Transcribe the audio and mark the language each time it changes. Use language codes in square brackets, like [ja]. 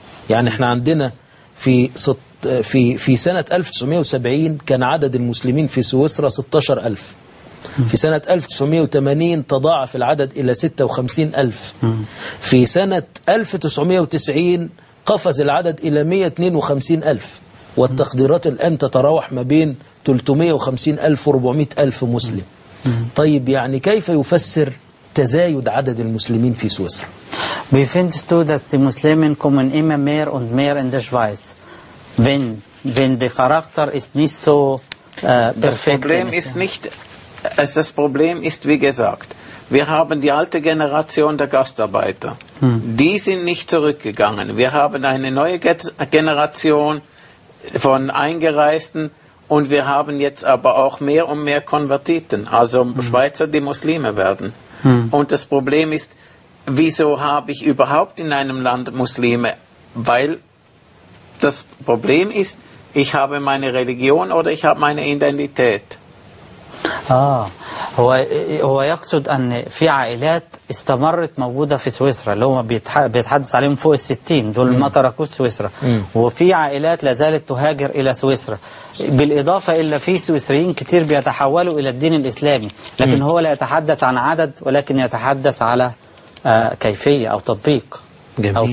[ar] يعني إحنا عندنا في سنة 1970 كان عدد المسلمين في سويسرا 16,000 في سنة 1980 تضاعف العدد إلى 56,000 في سنة 1990 قفز العدد إلى 152,000 والتقديرات الآن تتراوح ما بين 350,000 و400,000 مسلم طيب يعني كيف يفسر تزايد عدد المسلمين في سويسرا [de] Wie findest du, dass die Muslimen kommen immer mehr und mehr in der Schweiz? Wenn der Charakter ist nicht so perfekt. Das Problem ist nicht Also das Problem ist, wie gesagt, wir haben die alte Generation der Gastarbeiter. Die sind nicht zurückgegangen. Wir haben eine neue Generation von Eingereisten Und wir haben jetzt aber auch mehr und mehr Konvertiten, also Schweizer, die Muslime werden. Und das Problem ist, wieso habe ich überhaupt in einem Land Muslime? Weil das Problem ist, ich habe meine Religion oder ich habe meine Identität. [ar] Ah, هو يقصد أن في عائلات استمرت موجودة في سويسرا اللي هم بيتحدث عليهم فوق الستين دول ما تركوا سويسرا وفي عائلات لازالت تهاجر إلى سويسرا بالإضافة إلى في سويسريين كتير بيتحولوا إلى الدين الإسلامي لكن هو لا يتحدث عن عدد ولكن يتحدث على كيفية أو تطبيق جميل.